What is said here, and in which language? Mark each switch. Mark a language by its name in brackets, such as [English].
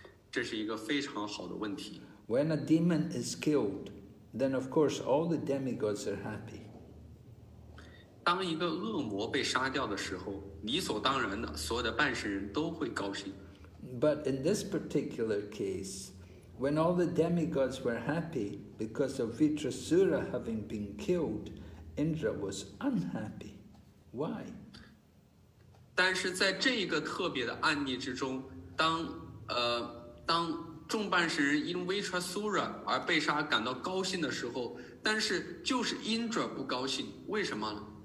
[Chinese] 这是一个非常好的问题。 [English] When a demon is killed, then of course all the demigods are happy. [Chinese] 当一个恶魔被杀掉的时候，理所当然的，所有的半神人都会高兴。 [English] But in this particular case, when all the demigods were happy because of Vritasura having been killed, Indra was unhappy. Why? [Chinese] 但是在这个特别的案例之中，当众半神人因 Vritasura 而被杀感到高兴的时候，但是就是 Indra 不高兴，为什么呢？